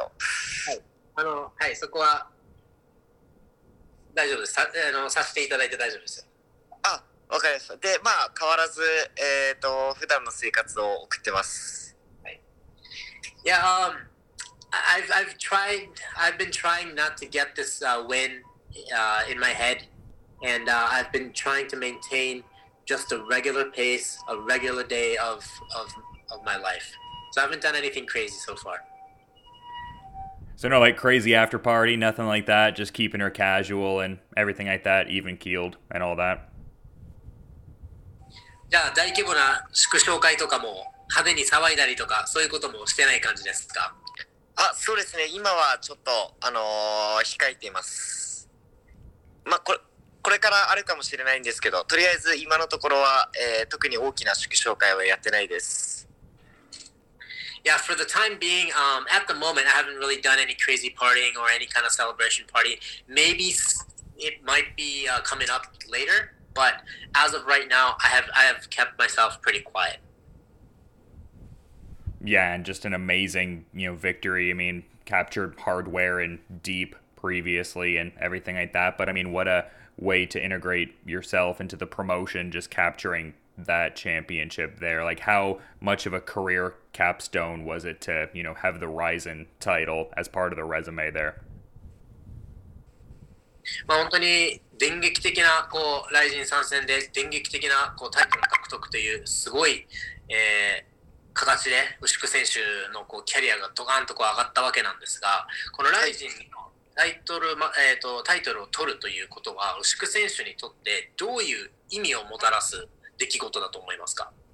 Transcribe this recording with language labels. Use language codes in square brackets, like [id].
[ja] はい、はい、そこは大丈夫です。させていただいて大丈夫ですよ。あ、わかりました。で、まあ、変わらず、普段の生活を送ってます。はい。 [en] Yeah, I've been trying not to get this win in my head, and I've been trying to maintain just a regular pace, a regular day of my life. So I haven't done anything crazy so far. So no, like crazy after party, nothing like that, just keeping her casual and everything like that, even keeled and all that. [ja] じゃあ大規模な祝勝会とかも派手に騒いだりとかそういうこともしてない感じですか？あ、そうですね。今はちょっと控えています。まあこれからあるかもしれないんですけど、とりあえず今のところは、特に大きな祝勝会はやってないです。 [en] Yeah, for the time being, at the moment, I haven't really done any crazy partying or any kind of celebration party. Maybe it might be coming up later, but as of right now, I have kept myself pretty quiet. Yeah, and just an amazing, you know, victory. I mean, captured hardware and deep previously and everything like that. But I mean, what a way to integrate yourself into the promotion, just capturing that championship there. Like, how much of a career capstone was it to, you know, have the Ryzen title as part of the resume there? [ja] まあ本当に電撃的なこうライジン参戦で電撃的なこうタイトル獲得というすごい、形で牛久選手のこうキャリアがドカンとこう上がったわけなんですが、このライジンのタイトル、まあ、タイトルを取るということは牛久選手にとってどういう意味をもたらす出来事だと思いますか？